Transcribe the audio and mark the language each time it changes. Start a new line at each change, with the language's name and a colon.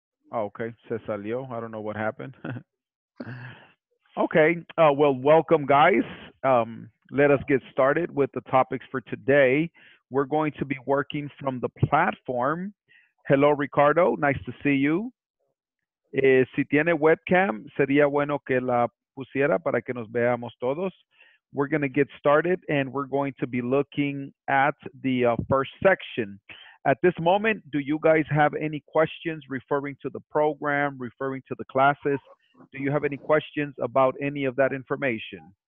English: Oh, okay,
Spanish: se salió.
English: I don't know what happened. Okay, well, welcome, guys. Let us get started with the topics for today. We're going to be working from the platform. Hello, Ricardo. Nice to see you.
Spanish: Si tiene webcam, sería bueno que la pusiera para que nos veamos todos.
English: We're going to get started, and we're going to be looking at the first section. At this moment, do you guys have any questions referring to the program, referring to the classes? Do you have any questions about any of that information?